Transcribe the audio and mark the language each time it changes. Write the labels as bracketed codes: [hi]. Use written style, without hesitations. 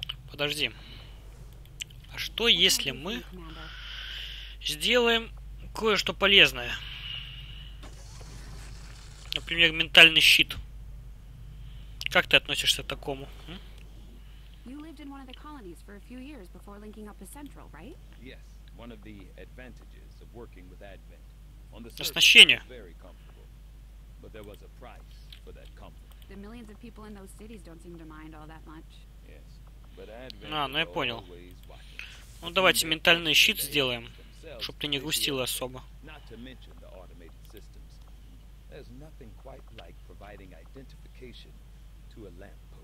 [ru] Подожди. А что если мы сделаем кое-что полезное? Например, ментальный щит. Как ты относишься к такому? [en] In one of the colonies for a few years before linking up to Central, right? Yes, one of the advantages of working with Advent. On the surface, it was very comfortable. But there was a price for that comfort. The millions of people in those cities don't seem to mind all that much. Yes, but Advent always watching. [ru] Ну, давайте ментальный щит сделаем, чтобы ты не грустила особо. [en] Not to mention the automated systems. There's nothing quite like providing identification to a lamp.